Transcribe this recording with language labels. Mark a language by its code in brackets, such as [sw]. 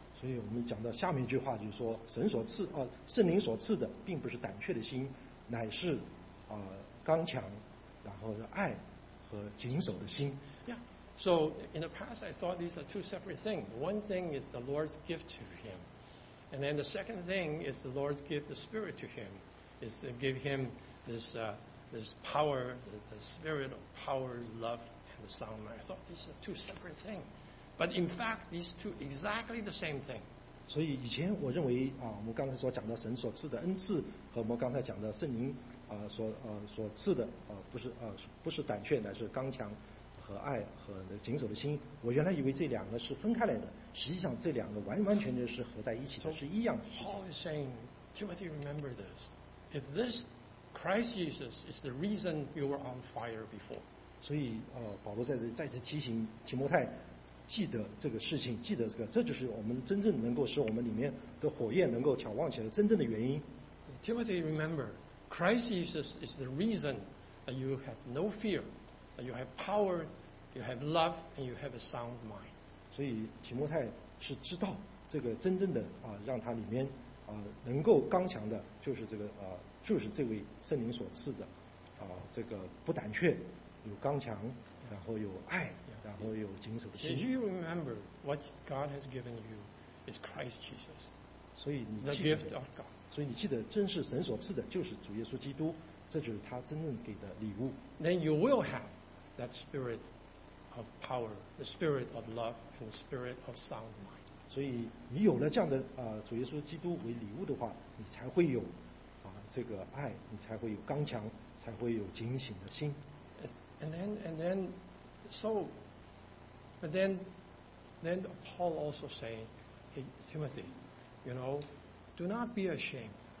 [zh] 所以我们讲到下面一句话就是说, 神所赐, 圣灵所赐的, 并不是胆怯的心, 乃是, 刚强, 然后爱, 和谨守的心。 [en] Yeah, so in the past I thought these are two separate things. One thing is the Lord's gift to him, and then the second thing is the Lord's gift, the spirit to him, is to give him this, this power, the spirit of power, love, and the sound. I thought these are two separate things. But in fact, these two are exactly the same thing. [zh] 所以以前我认为, 我们刚才所讲的神所赐的恩赐和我们刚才讲的圣灵所赐的, 不是胆怯, 乃是刚强和爱和谨守的心, 我原来以为这两个是分开来的, 实际上这两个完完全全是合在一起的, [en] so, [zh] 是一样的事情。 [en] Paul is saying, Timothy, remember this. If this Christ Jesus is the reason you were on fire before. [zh] 所以, 保罗再次提醒提摩太, 记得这个事情, 记得这个, 这就是我们真正能够使我们里面的火焰能够挑旺起来的真正的原因。 [en] Timothy, remember, Christ Jesus is the reason that you have no fear, that you have power, you have love, and you have a sound mind. [zh] 所以提摩太是知道这个真正的, 让他里面, 能够刚强的, 就是这个, 就是这位圣灵所赐的, 这个不胆怯, 有刚强, 然后有爱, 然后有谨守的心。 [en] Do you remember what God has given you is Christ Jesus? [zh] 所以你记得, [en] the gift of God. [zh] 所以你记得真是神所赐的, 就是主耶稣基督, 这就是他真正给的礼物。 [en] Then you will have that spirit of power, the spirit of love, and the spirit of sound mind. [zh] 所以你有了这样的, 主耶稣基督为礼物的话, 你才会有, 这个爱, 你才会有刚强, 才会有警醒的心。 [en] And then, so, but then Paul also saying, hey, Timothy, you know, do not be ashamed.